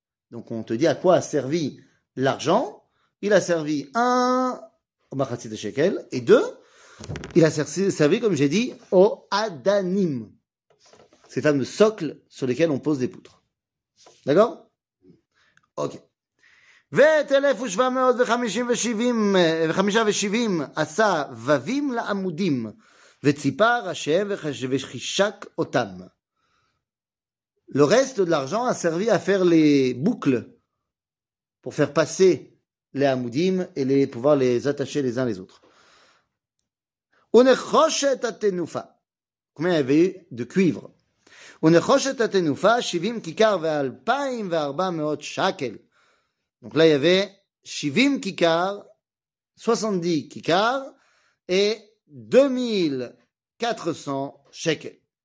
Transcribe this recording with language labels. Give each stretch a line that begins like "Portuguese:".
French: Donc on te dit à quoi a servi l'argent. Il a servi un, au machatzit shekel, et deux, il a servi, comme j'ai dit, au adanim. Ces fameux socles sur lesquels on pose des poutres. D'accord? Ok.
Hebrew: ותלף ושבע מאות וחמישים ושבעים וחמישה ושבעים עשה ווים לעמודים וציפה ראשיהם וחישק אותם.
French: Le reste de l'argent a servi à faire les boucles pour faire passer les amudim et les pouvoir les attacher les uns les autres.
Hebrew: ונחושת התנופה.
French: Combien il y avait de cuivre?
Hebrew: ונחושת התנופה 70 כיכר ו-2,400 שקל.
French: Donc là il y avait 70 כיכר, 70 כיכר et 2,400 שקל.